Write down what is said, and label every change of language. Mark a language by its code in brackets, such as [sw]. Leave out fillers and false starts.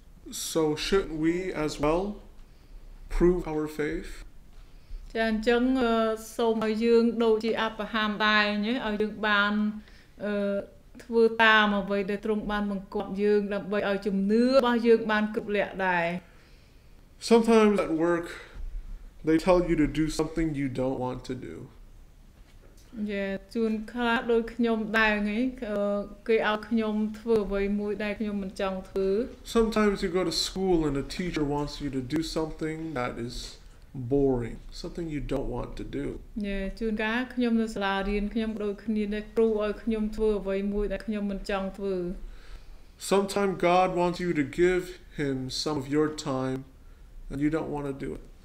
[en] So should we as well prove our faith? [km] ចា៎អញ្ចឹងសូមឲ្យយើងដូចជាអាប់រ៉ាហាំដែរណាឲ្យយើងបានធ្វើតាមអ្វីដែលទ្រង់បានបង្គាប់យើងដើម្បីឲ្យជំនឿរបស់យើងបានគ្រប់លក្ខដែរ [en] Sometimes at work, they tell you to do something you don't want to do. [km] Yeah, ជួនកាលដូចខ្ញុំដែរហ្នឹងគេឲ្យខ្ញុំធ្វើអ្វីមួយដែលខ្ញុំមិនចង់ធ្វើ. [en] Sometimes you go to school and a teacher wants you to do something that is boring, something you don't want to do. [km] Yeah, ជួនកាលខ្ញុំនៅសាលារៀនខ្ញុំដូចគ្នាដែរគ្រូឲ្យខ្ញុំធ្វើអ្វីមួយដែលខ្ញុំមិនចង់ធ្វើ. [en] Sometimes God wants you to give him some of your time. And you don't want to do it.